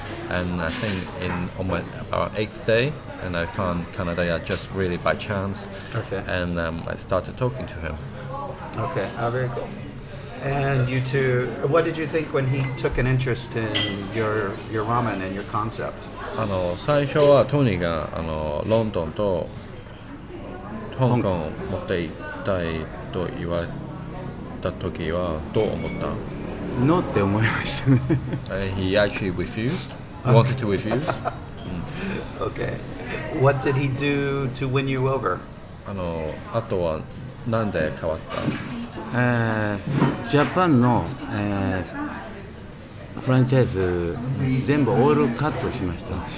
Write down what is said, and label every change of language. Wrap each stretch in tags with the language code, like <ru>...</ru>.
<en>And I think on my eighth day, and I found Canada Ya just really by chance. Okay. And I started talking to him. Okay, very cool. And you two, what did you think when he took an interest in your ramen and your concept?</en> <ja>最初はトニーがロンドンと香港を持っていたいと言われた時はどう思った？No って思いましたね。</ja> <en>He actually refused. He wanted to refuse. Okay. What did he do to win you over?</en> <ja>あとはなんで変わった？ジャパンの、フランチャイズ全部オールカットしました。</ja>